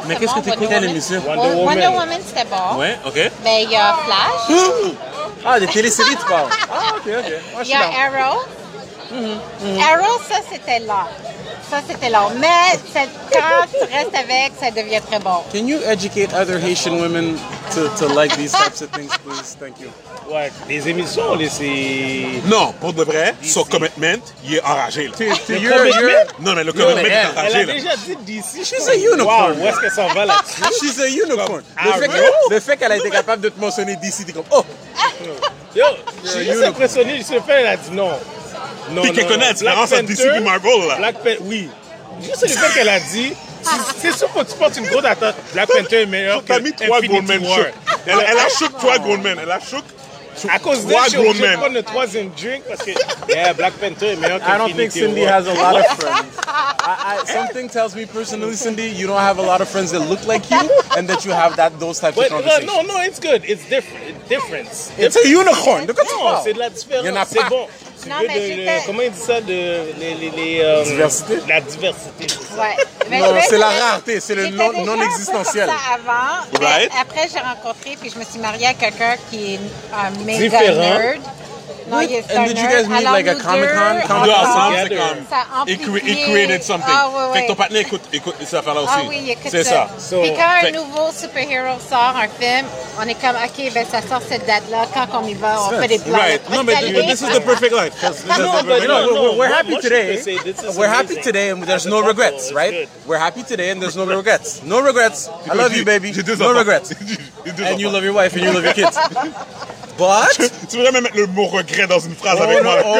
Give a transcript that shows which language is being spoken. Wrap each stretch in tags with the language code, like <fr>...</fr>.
<fr>Mais qu'est-ce que t'écoutes à l'émission? Wonder Woman, c'était bon. Ouais, OK. Mais il y a Flash. Ah, des téléséries, tu parles. Ah, OK, OK. Il y a Arrow. Mm-hmm. Mm-hmm. Arrow, ça c'était lent. Ça c'était lent. Mais c'est, quand tu restes avec, ça devient très bon.</fr> <en>Can you educate other Haitian women to like these types of things, please? Thank you.</en> <fr>Ouais, les émissions, les c'est. Non, pour de vrai, son commitment, il est enragé. Là. Le commitment? Non, mais le commitment est enragé. Elle a déjà dit DC.</fr> <en>She's a unicorn.</en> <fr>Wow, où est-ce que ça va là-dessus?</fr> <en>She's a unicorn.</en> <fr>Le fait qu'elle a été capable de te mentionner DC, t'es comme. Oh! Yo, je suis juste impressionné. Je suis fait, elle a dit non. Non, puis qu'elle connaît la différence entre DC et Marvel. Là. Black Panther, oui. Juste le fait qu'elle a dit, c'est sûr que tu portes une grosse attente. Black Panther est meilleur. T'as mis trois grown men. Elle a choqué trois grown men. Elle a choqué trois grown men. À cause de ça, je vais prendre le troisième drink parce que yeah, Black Panther est meilleur que Infinity</fr> <en>War. I don't think Cindy has a lot of friends. Something tells me personally, Cindy, you don't have a lot of friends that look like you and that you have that those types but, of conversations. No, no, it's good. It's different. Difference. It's a unicorn. Look at</en> <fr>no, c'est de la différence. C'est bon. Non, mais comment ils disent ça de diversité? La diversité. Ouais. Mais non, c'est la rareté, c'est le non existentiel. Avant, right. Après j'ai rencontré puis je me suis mariée à quelqu'un qui est un méga nerd.</fr> <en>Non, and did you guys meet like a Comic-Con?</en> <fr>Comic-Con? Deux ensemble, c'est comme...</fr> <en>It created something.</en> <fr>Oh, oui, oui. Fait que ton partner écoute cette affaire-là aussi. Ah oui, écoute c'est ça. So, puis quand un nouveau super-héros sort un film, on est comme, OK, ben ça sort cette date-là. Quand on y va, on fait des blagues.</fr> <en>Right.</en> <fr>Non, mais</fr> <en>this is the perfect life. We're happy today. We're happy today and there's no regrets, right? We're happy today and there's no regrets. No regrets. I love you, baby. No regrets. And you love your wife and you love your kids. But...</en> <fr>Tu voudrais même mettre le mot regret dans une phrase avec moi.</fr>